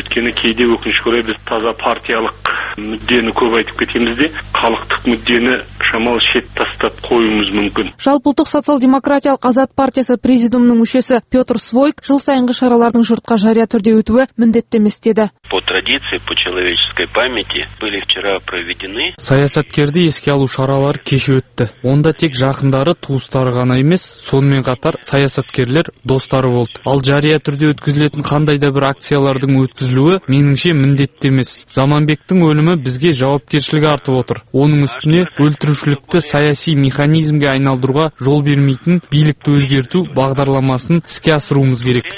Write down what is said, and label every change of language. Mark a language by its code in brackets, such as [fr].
[kk] Өйткені кейде өкінішке орай біз таза партиялық мүддені көп айтып кетеміз де, халықтық мүддені шамалы шет тастап қоюымыз мүмкін. Жалпыұлттық социал-демократиялық азат партиясы президиумының мүшесі Петр Свойк жыл сайынғы шаралардың жұртқа жария түрде өтуі міндетті емес деді. [ru] По традиции, по человеческой памяти были вчера проведены. [kk] Саясаткерді еске алу шаралар кеше өтті. Онда тек жақындары, туыстары ғана емес, сонымен қатар саясаткерлер достары болды. Ал жария түрде өткізілетін қандай да бір акциялардың өткізілуі меніңше міндетті емес. Заманбектің өлімі бізге жауапкершілік артып отыр. Оның үстіне өлтірушілікті саяси механизмге айналдыруға жол бермейтін билікті өзгерту бағдарламасын іске асыруымыз керек.